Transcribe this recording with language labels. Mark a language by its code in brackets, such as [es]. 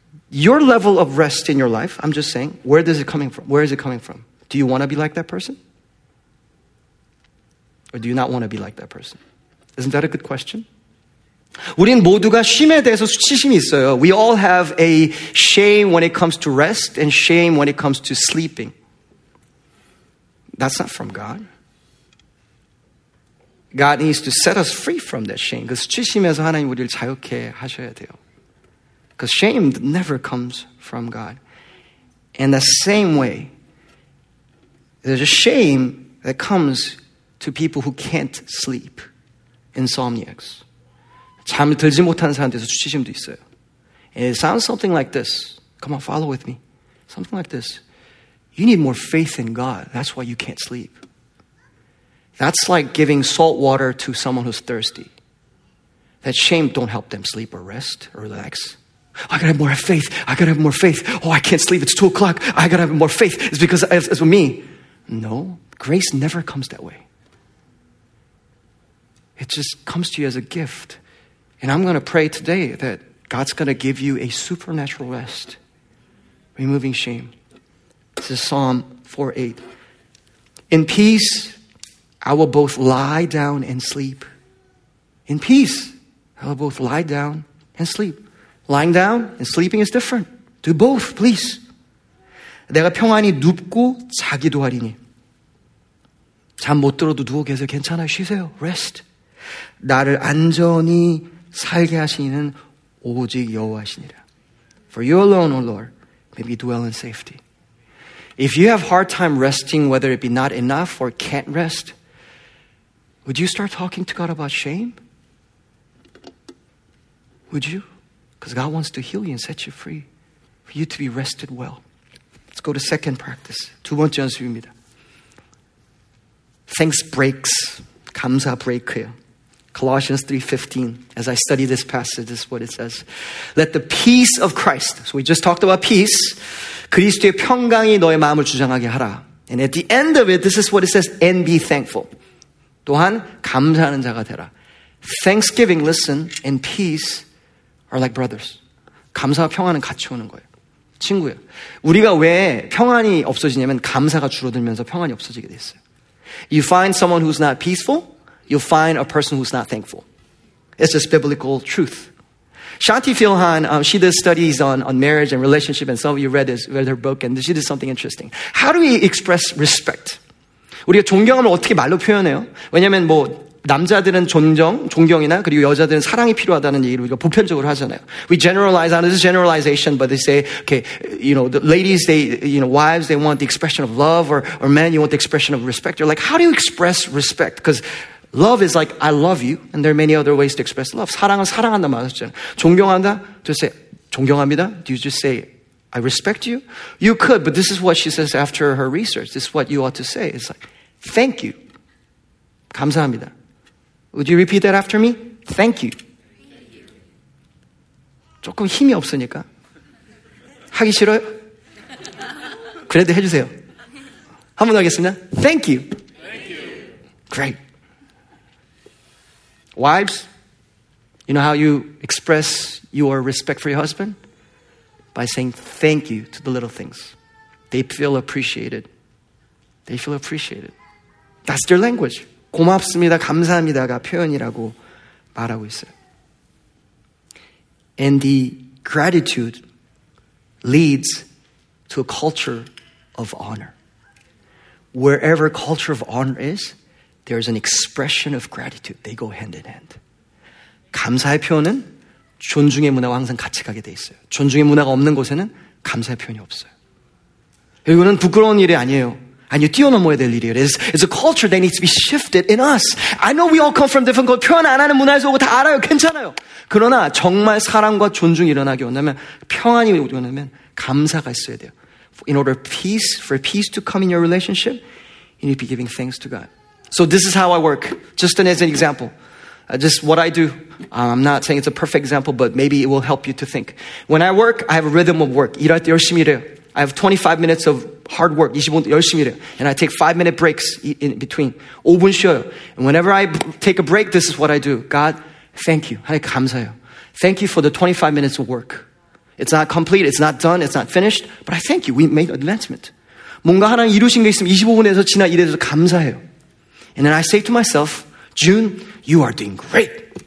[en] Your level of rest in your life, I'm just saying, where does it coming from? Where is it coming from? Do you want to be like that person? Or do you not want to be like that person? Isn't that a good question? [ko] 우린 모두가 쉼에 대해서 수치심이 있어요. [en] We all have a shame when it comes to rest and shame when it comes to sleeping. That's not from God. God needs to set us free from that shame. [ko] 그 수치심에서 하나님 우리를 자유케 하셔야 돼요. [en] Because shame never comes from God. In the same way, there's a shame that comes to people who can't sleep. Insomniacs. [ko] 잠을 들지 못하는 사람들에서 수치심도 있어요. [en] And it sounds something like this. Come on, follow with me. Something like this. You need more faith in God. That's why you can't sleep. That's like giving salt water to someone who's thirsty. That shame don't help them sleep or rest or relax. I gotta have more faith. Oh, I can't sleep. It's 2 o'clock. I gotta have more faith. It's because it's for me. No, grace never comes that way. It just comes to you as a gift. And I'm going to pray today that God's going to give you a supernatural rest, removing shame. This is Psalm 4:8. In peace, I will both lie down and sleep. In peace, I will both lie down and sleep. Lying down and sleeping is different. Do both, please. [ko] 내가 평안히 눕고 자기도 하리니. 잠 못 들어도 누워 계세요. 괜찮아요. 쉬세요. [en] Rest. [ko] 나를 안전히 살게 하시는 오직 여호와시니라. [en] For you alone, O Lord, may we dwell in safety. If you have hard time resting, whether it be not enough or can't rest, would you start talking to God about shame? Would you? Because God wants to heal you and set you free for you to be rested well. Let's go to second practice. [ko] 두 번째 연습입니다. [en] Thanks breaks. [ko] 감사 브레이크요. [en] Colossians 3:15. As I study this passage, this is what it says. Let the peace of Christ. So we just talked about peace. [ko] 그리스도의 평강이 너의 마음을 주장하게 하라. [en] And at the end of it, this is what it says. And be thankful. [ko] 또한 감사하는 자가 되라. [en] Thanksgiving, listen, and peace are like brothers. [ko] 감사와 평안은 같이 오는 거예요. 친구야. 우리가 왜 평안이 없어지냐면 감사가 줄어들면서 평안이 없어지게 돼 있어요. [en] You find someone who's not peaceful, you'll find a person who's not thankful. It's just biblical truth. Shanti Philhan, she does studies on marriage and relationship, and some of you read her book, and she did something interesting. How do we express respect? [ko] 우리가 존경함을 어떻게 말로 표현해요? 왜냐하면 뭐 남자들은 존경, 존경이나 그리고 여자들은 사랑이 필요하다는 얘기를 우리가 보편적으로 하잖아요. [en] We generalize, and this is generalization, but they say, okay, you know, the ladies, they, you know, wives, they want the expression of love, or men, you want the expression of respect. You're like, how do you express respect? Because love is like, I love you, and there are many other ways to express love. [ko] 사랑은 사랑한다 말했잖아요. 존경한다, [en] just say, [ko] 존경합니다. [en] Do you just say, I respect you? You could, but this is what she says after her research. This is what you ought to say. It's like, thank you. [ko] 감사합니다. [en] Would you repeat that after me? Thank you. [ko] 조금 힘이 없으니까. 하기 싫어요? 그래도 해주세요. 한 번 하겠습니다. [en] Thank you. Thank you. Great. Wives, you know how you express your respect for your husband? By saying thank you to the little things. They feel appreciated. They feel appreciated. That's their language. [ko] 고맙습니다, 감사합니다가 표현이라고 말하고 있어요. [en] And the gratitude leads to a culture of honor. Wherever culture of honor is, there is an expression of gratitude. They go hand in hand. [ko] 감사의 표현은 존중의 문화와 항상 같이 가게 돼 있어요. 존중의 문화가 없는 곳에는 감사의 표현이 없어요. 이거는 부끄러운 일이 아니에요. 아니요, 뛰어넘어야 될 일이에요. [en] It's a culture that needs to be shifted in us. I know we all come from different cultures. [ko] 표현 안 하는 문화에서 오고 다 알아요. 괜찮아요. 그러나 정말 사랑과 존중이 일어나기 원하면 평안이 일어나면 감사가 있어야 돼요. [en] In order peace, for peace to come in your relationship, you need to be giving thanks to God. So this is how I work. Just as an example. Just what I do. I'm not saying it's a perfect example, but maybe it will help you to think. When I work, I have a rhythm of work. [ko] 일할 때 열심히 일해요. [en] I have 25 minutes of hard work. [ko] 25분 열심히 일해요. [en] And I take 5-minute breaks in between. [ko] 5분 쉬어요. [en] And whenever I take a break, this is what I do. God, thank you. [ko] 하나님 감사해요. [en] Thank you for the 25 minutes of work. It's not complete. It's not done. It's not finished. But I thank you. We made advancement. [ko] 뭔가 하나님 이루신 게 있으면 25분에서 지나 일해서 감사해요. [en] And then I say to myself, June, you are doing great.